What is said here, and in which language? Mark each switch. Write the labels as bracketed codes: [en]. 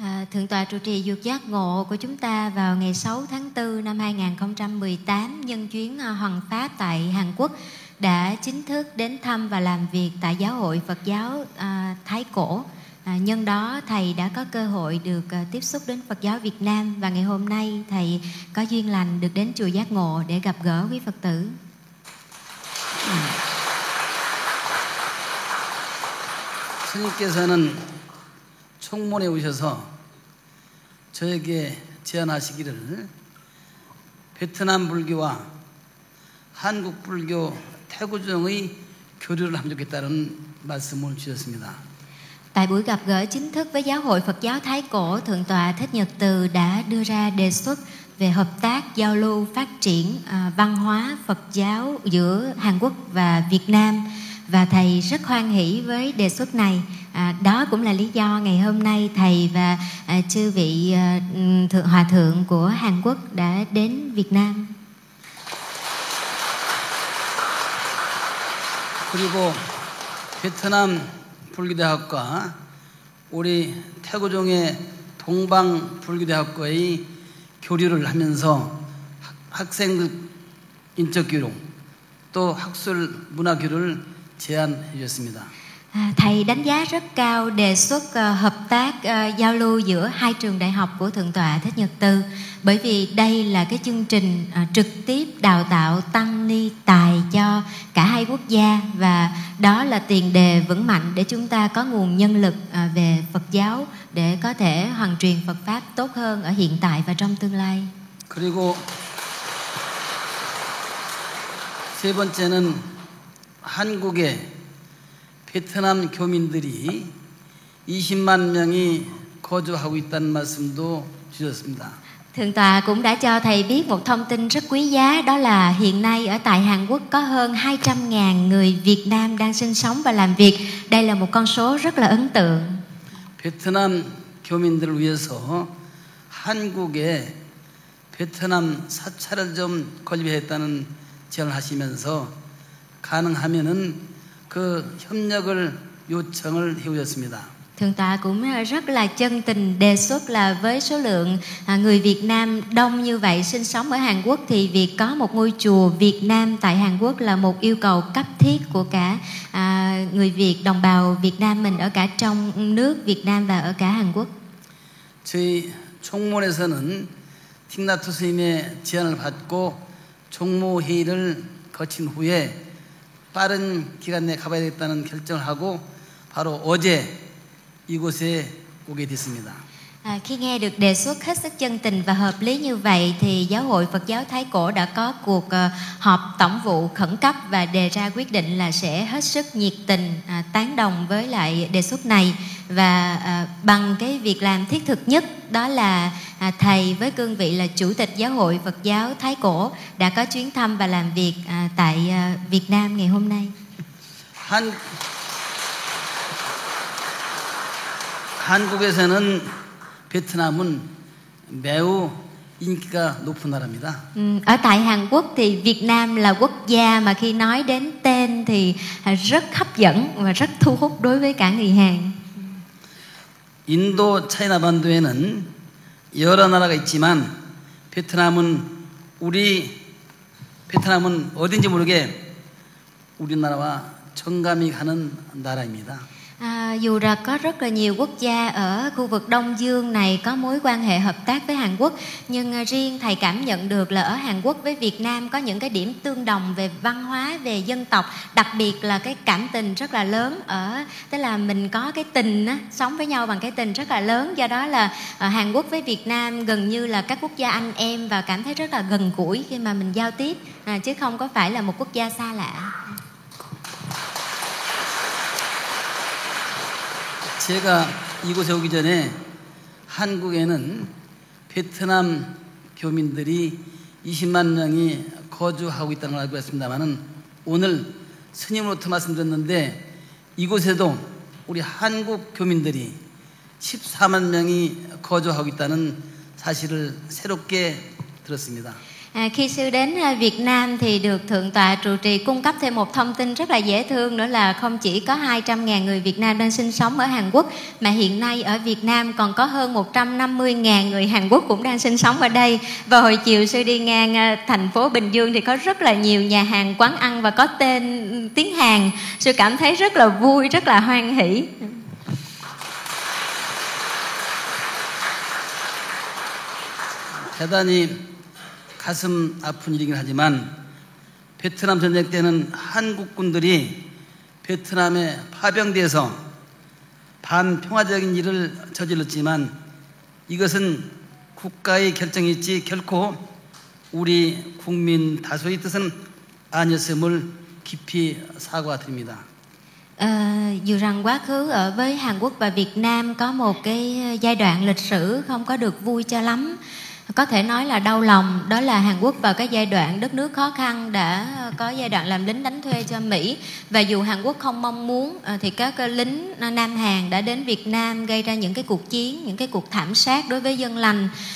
[vi] Thượng tọa trụ trì Dược Giác Ngộ của chúng ta vào ngày 6 tháng 4 năm 2018 nhân chuyến hoằng pháp tại Hàn Quốc đã chính thức đến thăm và làm việc tại Giáo hội Phật giáo Thái Cổ. Nhân đó thầy đã có cơ hội được tiếp xúc đến Phật giáo Việt Nam và ngày hôm nay thầy có duyên lành được đến chùa Giác Ngộ để gặp gỡ quý Phật tử. [ko] 스님께서는 총문에 오셔서 저에게 제안하시기를 베트남 불교와 한국 불교 태구종의 교류를 하면 좋겠다는 말씀을 주셨습니다. [vi] Tại buổi gặp gỡ chính thức với Giáo hội Phật giáo Thái Cổ, Thượng tọa Thích Nhật Từ đã đưa ra đề xuất về hợp tác giao lưu phát triển văn hóa Phật giáo giữa Hàn Quốc và Việt Nam. Và thầy rất hoan hỷ với đề xuất này. Đó cũng là lý do ngày hôm nay thầy và chư vị thượng hòa thượng của Hàn Quốc đã đến Việt Nam. [ko] 그리고 베트남 불교대학과 우리 태구종의 동방 불교대학과의 교류를 하면서 학생들 인적 교류 또 학술 문화 교류를 제안해 주셨습니다. [vi] Thầy đánh giá rất cao đề xuất hợp tác giao lưu giữa hai trường đại học của Thượng tọa Thích Nhật Từ bởi vì đây là cái chương trình trực tiếp đào tạo tăng ni tài cho cả hai quốc gia và đó là tiền đề vững mạnh để chúng ta có nguồn nhân lực về Phật giáo để có thể hoàn truyền Phật Pháp tốt hơn ở hiện tại và trong tương lai. [ko] 그리고 세 번째는 한국에 베트남 교민들이 20만 명이 거주하고 있다는 말씀도 주셨습니다. [vi] Thượng tọa cũng đã cho thầy biết một thông tin rất quý giá đó là hiện nay ở tại Hàn Quốc có hơn 200.000 người Việt Nam đang sinh sống và làm việc. Đây là một con số rất là ấn tượng. [ko] 베트남 교민들을 위해서 한국에 베트남 사찰을 좀 건립했다는 제안을 하시면서 가능하면은 그 협력을 요청을 해오셨습니다. [vi] Thượng tọa cũng rất là chân tình đề xuất là với số lượng người Việt Nam đông như vậy sinh sống ở Hàn Quốc thì việc có một ngôi chùa Việt Nam tại Hàn Quốc là một yêu cầu cấp thiết của cả người Việt, đồng bào Việt Nam mình ở cả trong nước Việt Nam và ở cả Hàn Quốc. [ko] 저희 총무원에서는 틱나투 스님의 제안을 받고 총무회의를 거친 후에 빠른 기간 내에 가봐야겠다는 결정을 하고 바로 어제 이곳에 오게 됐습니다. [vi] Khi nghe được đề xuất hết sức chân tình và hợp lý như vậy thì Giáo hội Phật giáo Thái Cổ đã có cuộc họp tổng vụ khẩn cấp và đề ra quyết định là sẽ hết sức nhiệt tình tán đồng với lại đề xuất này và bằng cái việc làm thiết thực nhất đó là thầy với cương vị là chủ tịch Giáo hội Phật giáo Thái Cổ đã có chuyến thăm và làm việc tại Việt Nam ngày hôm nay. [ko] 한국에서는 베트남은 매우 인기가 높은 나라입니다. [vi] Ở tại Hàn Quốc thì Việt Nam là quốc gia mà khi nói đến tên thì rất hấp dẫn và rất thu hút đối với cả người Hàn. [ko] 인도 차이나 반도에는 여러 나라가 있지만 베트남은 우리 베트남은 어딘지 모르게 우리나라와 정감이 가는 나라입니다. [vi] Dù là có rất là nhiều quốc gia ở khu vực Đông Dương này có mối quan hệ hợp tác với Hàn Quốc, nhưng riêng thầy cảm nhận được là ở Hàn Quốc với Việt Nam có những cái điểm tương đồng về văn hóa, về dân tộc, đặc biệt là cái cảm tình rất là lớn, ở tức là mình có cái tình á, sống với nhau bằng cái tình rất là lớn. Do đó là Hàn Quốc với Việt Nam gần như là các quốc gia anh em và cảm thấy rất là gần gũi khi mà mình giao tiếp, chứ không có phải là một quốc gia xa lạ. [ko] 제가 이곳에 오기 전에 한국에는 베트남 교민들이 20만 명이 거주하고 있다는 걸 알고 있습니다만은 오늘 스님으로부터 말씀드렸는데 이곳에도 우리 한국 교민들이 14만 명이 거주하고 있다는 사실을 새롭게 들었습니다. [vi] Khi sư đến Việt Nam thì được Thượng Tọa trụ trì cung cấp thêm một thông tin rất là dễ thương, nữa là không chỉ có 200.000 người Việt Nam đang sinh sống ở Hàn Quốc, mà hiện nay ở Việt Nam còn có hơn 150.000 người Hàn Quốc cũng đang sinh sống ở đây. Và hồi chiều sư đi ngang thành phố Bình Dương thì có rất là nhiều nhà hàng, quán ăn và có tên tiếng Hàn. Sư cảm thấy rất là vui, rất là hoan hỷ. [ko] 대단히 가슴 아픈 일이긴 하지만 베트남 전쟁 때는 한국군들이 베트남에 파병돼서 반평화적인 일을 저질렀지만 이것은 국가의 결정이지 결코 우리 국민 다수의 뜻은 아니었음을 깊이 사과드립니다. [vi] Dù rằng quá khứ ở với Hàn Quốc và Việt Nam có một cái giai đoạn lịch sử không có được vui cho lắm, có thể nói là đau lòng, đó là Hàn Quốc vào cái giai đoạn đất nước khó khăn đã có giai đoạn làm lính đánh thuê cho Mỹ, và dù Hàn Quốc không mong muốn thì các lính Nam Hàn đã đến Việt Nam gây ra những cái cuộc chiến, những cái cuộc thảm sát đối với dân lành.